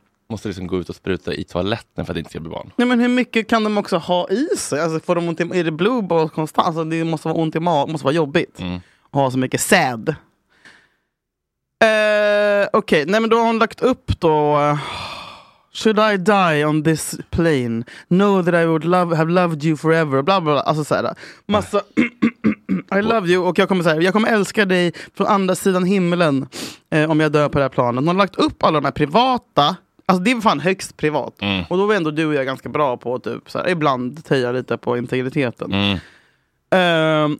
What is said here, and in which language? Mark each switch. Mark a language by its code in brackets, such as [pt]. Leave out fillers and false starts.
[sv] Måste liksom gå ut och spruta i toaletten för att inte ska bli barn. Nej, men hur mycket kan de också ha i sig? Alltså, får de ont i, är det blue balls konstant? Alltså, det måste vara ont i magen, måste vara jobbigt. Mm. Ha så mycket säd. Okej, okay. Nej, men då har hon lagt upp då... [en] Should I die on this plane? Know that I would love, have loved you forever. [sv] Bla bla bla. Alltså så här. Massa... [en] I love you. [sv] Och jag kommer säga, jag kommer älska dig från andra sidan himlen om jag dör på det här planet. De har lagt upp alla de här privata. Alltså det är fan högst privat. Mm. Och då är ändå du och jag ganska bra på typ så här, ibland töja lite på integriteten. Mm.